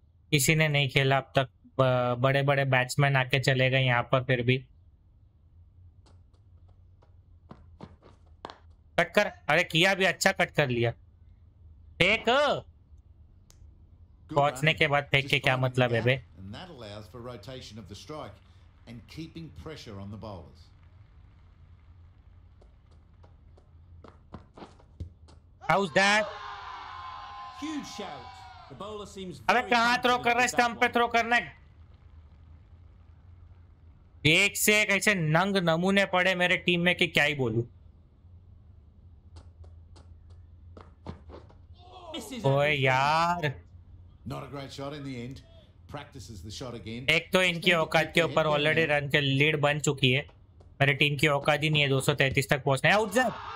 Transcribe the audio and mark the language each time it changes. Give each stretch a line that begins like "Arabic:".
Hindi: किसी ने नहीं खेला अब तक, बड़े बड़े बैट्समैन आके चले गए यहाँ पर, फिर भी कट कर, अरे किया भी अच्छा, कट कर लिया फेक, पहुंचने के बाद फेंक के क्या मतलब है बे?
English: And that allows for rotation of the strike and keeping pressure on the bowlers. How's that? Huge shout. The bowler seems very confident.
Hindi: अबे कहाँ throw कर रहा है, stump पे throw करने? एक से एक ऐसे नंग नमूने पड़े मेरे टीम में कि क्या ही बोलूं? ओए यार.
English: Not a great shot in the end. Practices the shot again.
Hindi: एक तो इनकी औकात के ऊपर ऑलरेडी रन के लीड बन चुकी है, मेरे टीम की औकात ही नहीं है 233 तक पहुंचने.